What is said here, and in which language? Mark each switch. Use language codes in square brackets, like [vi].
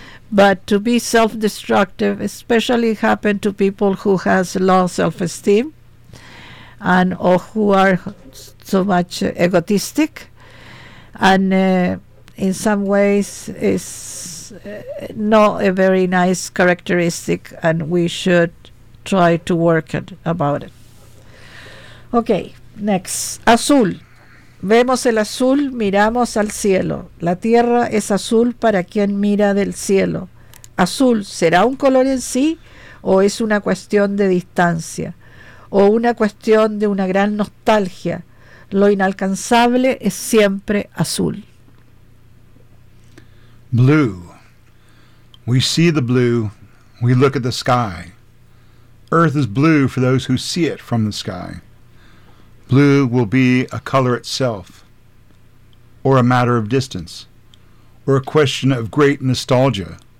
[en] But to be self-destructive, especially happened to people who has low self-esteem, and or who are so much egotistic, and in some ways is not a very nice characteristic, and we should try to work about it. Okay, next. Azul. [es] Vemos el azul, miramos al cielo. La tierra es azul para quien mira del cielo. Azul, ¿será un color en sí o es una cuestión de distancia? ¿O una cuestión de una gran nostalgia? Lo inalcanzable es siempre azul. [en] Blue. We see the blue, we look at the sky. Earth is blue for those who see it from the sky. Blue will be a color itself, or a matter of distance, or a question of great nostalgia.